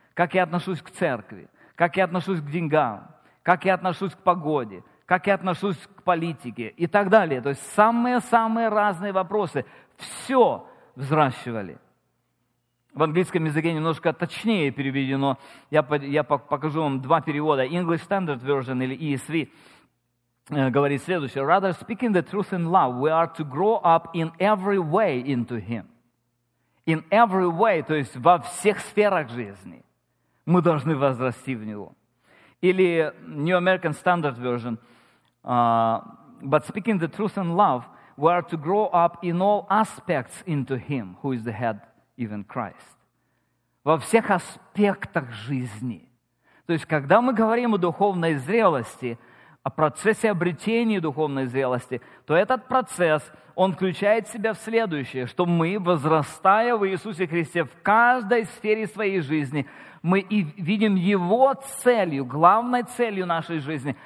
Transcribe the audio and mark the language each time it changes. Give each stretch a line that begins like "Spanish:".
Russian: Как я отношусь к церкви? Как я отношусь к деньгам? Как я отношусь к погоде? Как я отношусь к политике? И так далее. То есть самые-самые разные вопросы. Все взращивали. В английском языке немножко точнее переведено. Я покажу вам два перевода. English Standard Version или ESV. Говорит следующее.
English: Rather speaking the truth in love, we are to grow up in every way into Him. In every way,
Russian: то есть во всех сферах жизни мы должны возрасти в Него. Или
English: New American Standard Version. But speaking the truth in love, we are to grow up in all aspects into Him, who is the head, even Christ.
Russian: Во всех аспектах жизни. То есть когда мы говорим о духовной зрелости, о процессе обретения духовной зрелости, то этот процесс, он включает в себя в следующее, что мы, возрастая в Иисусе Христе в каждой сфере своей жизни, мы и видим Его целью, главной целью нашей жизни.